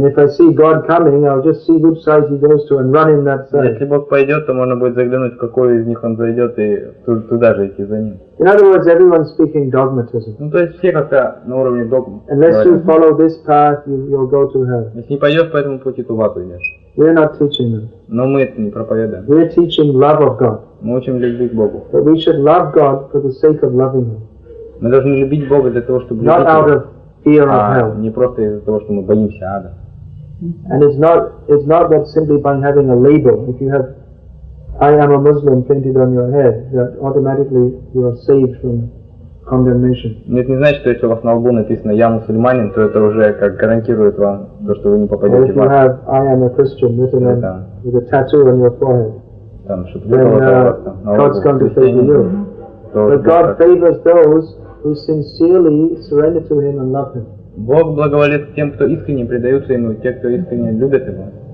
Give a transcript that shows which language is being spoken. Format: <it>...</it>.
<en>And if I see God coming, I'll just see which side He goes to and run in that side.</en> <ru>Если Бог пойдет, то можно будет заглянуть, в какой из них Он зайдет и туда же.</ru> <en>In other words, everyone's speaking dogmatism.</en> <ru>Ну то есть все как-то на уровне догм.</ru> <en>Unless you follow this path, you'll go to hell.</en> <ru>Если не пойдешь по этому пути, то в ад идешь.</ru> <en>We're not teaching them.</en> <ru>Но мы это не проповедуем.</ru> <en>We're teaching love of God.</en> <ru>Мы учим любви к Богу.</ru> <en>But we should love God for the sake of loving Him.</en> <ru>Мы должны любить Бога для того, чтобы</ru> <en>not out of fear of hell.</en> <ru>Не просто из-за того, что мы боимся ада.</ru> <en>And it's not that simply by having a label. If you have I am a Muslim painted on your head, that automatically you are saved from condemnation.</en> <ru>Нет, не значит, что если у вас на лбу написано «Я мусульманин», то это уже как гарантирует вам то, что вы не попадете в ад.</ru> <en>If you have «I am a Christian» written on, with a tattoo on your forehead,</en> <ru>там,</ru> <en>then God's going to favor you. Mm-hmm. But God favors those who sincerely surrender to Him and love Him.</en> <ru>Бог благоволит тем, кто искренне предаются Ему, те, кто искренне любят Его.</ru>